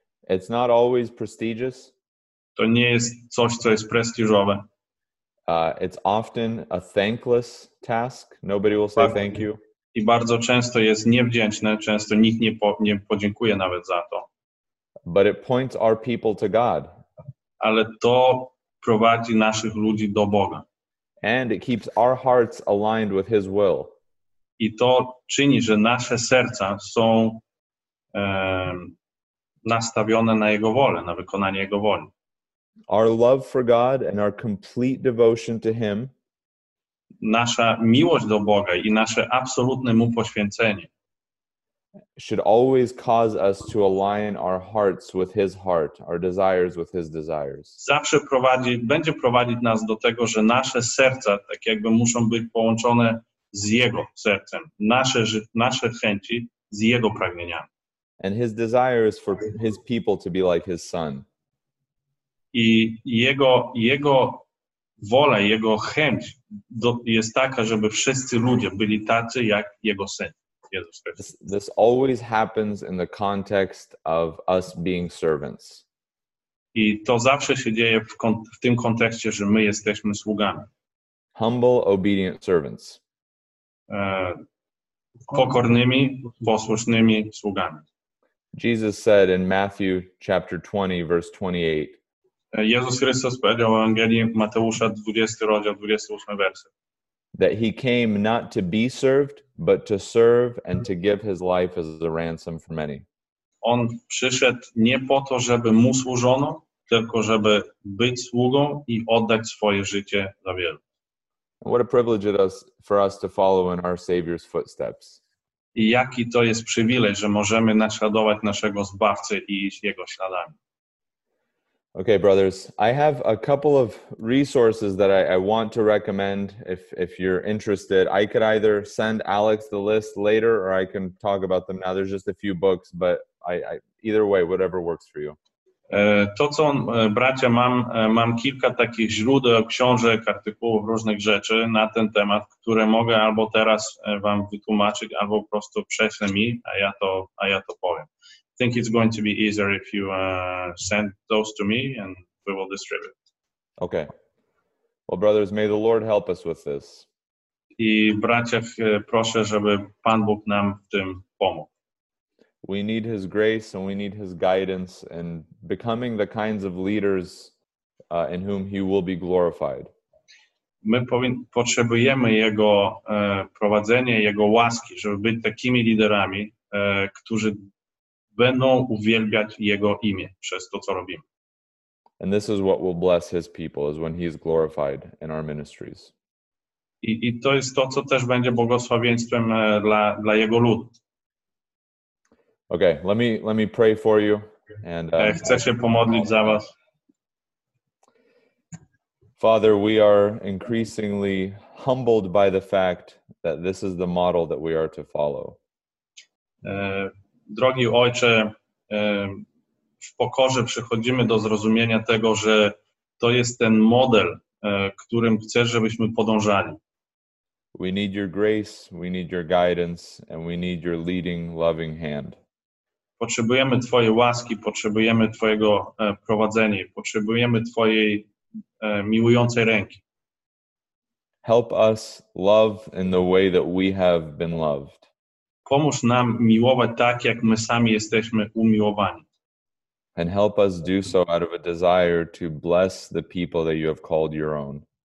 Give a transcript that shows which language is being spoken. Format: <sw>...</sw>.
<en>It's not always prestigious.</en> <pl>To nie jest coś, co jest prestiżowe.</pl> <en>It's often a thankless task. Nobody will say thank you.</en> <pl>I bardzo często jest niewdzięczne. Często nikt nie podziękuje nawet za to.</pl> <en>But it points our people to God.</en> <pl>Ale to prowadzi naszych ludzi do Boga.</pl> <en>And it keeps our hearts aligned with His will.</en> <pl>I to czyni, że nasze serca są nastawione na Jego wolę, na wykonanie Jego woli.</pl> <en>Our love for God and our complete devotion to Him.</en> <pl>Nasza miłość do Boga i nasze absolutne Mu poświęcenie.</pl> <en>Should always cause us to align our hearts with His heart, our desires with His desires.</en> <pl>Zawsze będzie prowadzić nas do tego, że nasze serca tak jakby muszą być połączone z Jego sercem, nasze chęci z Jego pragnieniami.</pl> <en>And His desire is for His people to be like His Son.</en> <pl>I jego wola, Jego chęć jest taka, żeby wszyscy ludzie byli tacy jak Jego Syn.</pl> <en>This always happens in the context of us being servants.</en> <pl>I to zawsze się dzieje w tym kontekście, że my jesteśmy sługami.</pl> <en>Humble, obedient servants.</en> <pl>Pokornymi, posłusznymi sługami.</pl> <en>Jesus said in Matthew chapter 20, verse 28.</en> <pl>Jezus Chrystus powiedział w Ewangelii Mateusza 20, rozdział 28 werset.</pl> <en>That He came not to be served, but to serve and to give His life as a ransom for many.</en> <pl>On przyszedł nie po to, żeby Mu służono, tylko żeby być sługą i oddać swoje życie za wielu.</pl> <en>What a privilege it is for us to follow in our Savior's footsteps.</en> <pl>I jaki to jest przywilej, że możemy naśladować naszego Zbawcę i iść Jego śladami.</pl> <en>Okay, brothers, I have a couple of resources that I want to recommend if you're interested. I could either send Alex the list later or I can talk about them now. There's just a few books, but I either way, whatever works for you.</en> <pl>To, co bracia, mam kilka takich źródeł, książek, artykułów, różnych rzeczy na ten temat, które mogę albo teraz wam wytłumaczyć, albo po prostu prześlę mi, a ja to powiem.</pl> <en>I think it's going to be easier if you send those to me and we will distribute. Okay. Well, brothers, may the Lord help us with this.</en> <pl>I bracia, proszę, żeby Pan Bóg nam w tym pomógł.</pl> <en>We need His grace and we need His guidance and becoming the kinds of leaders in whom He will be glorified.</en> <pl>My potrzebujemy Jego prowadzenia, Jego łaski, żeby być takimi liderami, którzy będą uwielbiać Jego imię przez to, co robimy.</pl> <en>And this is what will bless His people, is when He is glorified in our ministries.</en> <pl>I to jest to, co też będzie błogosławieństwem dla Jego ludu.</pl> <en>Okay, let me pray for you. And</en> <pl>chcę się pomodlić za was.</pl> <en>Father, we are increasingly humbled by the fact that this is the model that we are to follow.</en> <pl>Drogi Ojcze, w pokorze przechodzimy do zrozumienia tego, że to jest ten model, którym chcesz, żebyśmy podążali.</pl> <en>We need your grace, we need your guidance, and we need your leading, loving hand.</en> <pl>Potrzebujemy Twojej łaski, potrzebujemy Twojego prowadzenia, potrzebujemy Twojej miłującej ręki.</pl> <en>Help us love in the way that we have been loved.</en> <pl>Pomóż nam miłować tak, jak my sami jesteśmy umiłowani.</pl> <en>And help us do so out of a desire to bless the people that you have called your own.</en>